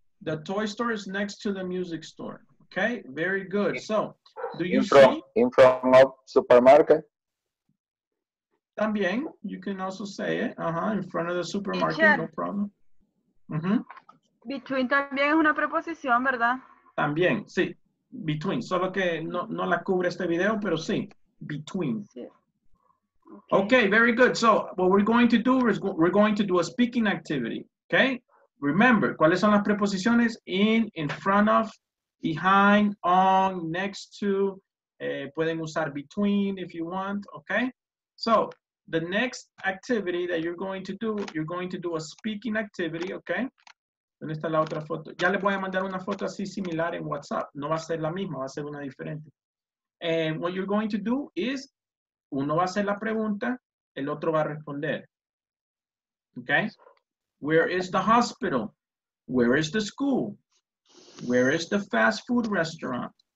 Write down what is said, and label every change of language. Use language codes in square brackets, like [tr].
[en] The toy store is next to the music store. Okay, very good. So, do you see? In front of supermarket. También, you can also say it. Uh-huh, in front of the supermarket, no problem. Mm-hmm. [es] Between también es una preposición, ¿verdad? También, sí. Between. Solo que no, no la cubre este video, pero sí. [en] Between. Sí. Okay. Okay, very good. So, what we're going to do is we're going to do a speaking activity. Okay? Remember, [es] ¿cuáles son las preposiciones? [en] In front of, behind, on, next to. [es] Pueden usar [en] between if you want. Okay? So, the next activity that you're going to do a speaking activity. [es] Okay? ¿Dónde está la otra foto? Ya le voy a mandar una foto así similar en WhatsApp. No va a ser la misma, va a ser una diferente. [en] And what you're going to do is, [es] uno va a hacer la pregunta, el otro va a responder. Okay? [en] Where is the hospital? Where is the school? Where is the fast food restaurant?